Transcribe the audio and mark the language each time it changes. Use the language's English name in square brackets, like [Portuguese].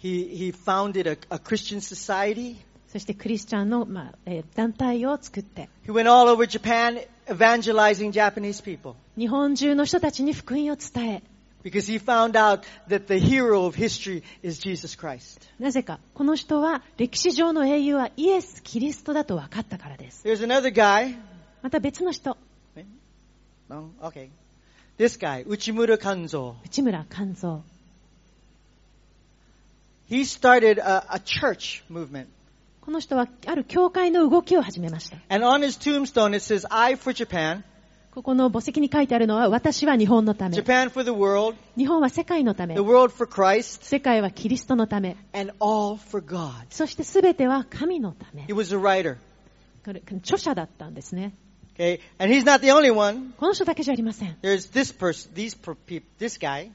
[English] He founded a Christian society. [Japanese] そしてクリスチャンの、まあ団体を作って。 [English] He went all over Japan evangelizing Japanese people. [Japanese] 日本中の人たちに福音を伝え。 [English] Because he found out that the hero of history is Jesus Christ. [Japanese] なぜかこの人は歴史上の英雄はイエス・キリストだと分かったからです。 [English] There's another guy. [Japanese] また別の人。 [English] No? Okay. This guy, 内村鑑三。 [Japanese] 内村鑑三。 [English] He started a church movement. [Japanese] この人はある教会の動きを始めました。 [English] And on his tombstone it says, I for Japan. [Japanese] ここの墓石に書いてあるのは私は日本のため [English] Japan for the world, [Japanese] 日本は世界のため [English] the world for Christ, [Japanese] 世界はキリストのため [English] and all for God. [Japanese] そして全ては神のため [English] He was a writer. [Japanese] 著者だったんですね、 [English] okay. and he's not the only one. [Japanese] この人だけじゃありません [English] There's this person, this guy.